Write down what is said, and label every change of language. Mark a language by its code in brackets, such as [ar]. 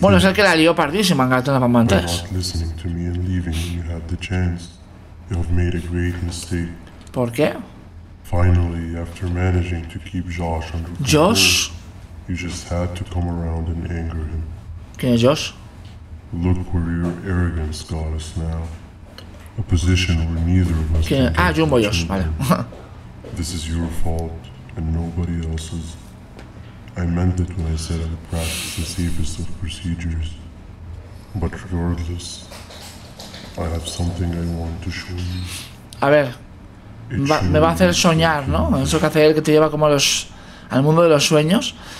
[es] Bueno, es el que la lió pardísima en Garten of Batman 3. [en] Listening to me and leaving when you had the chance. You have made a great mistake. [es] ¿Por qué? [en] Finally, after managing to keep Josh under control, Josh? You just had to come around and anger him. [es] ¿Quién es Josh? [en] Look where your arrogance got us now. A position where neither of us... [es] ¿Quién? Ah, Jumbo Josh, vale. [en] This is your fault, and nobody else's. I meant it when I said I'd practice the safest of procedures. But regardless, I have something I want to show you. [es] A ver, me va a hacer soñar, ¿no? Eso que hace él, que te lleva como al mundo de los sueños.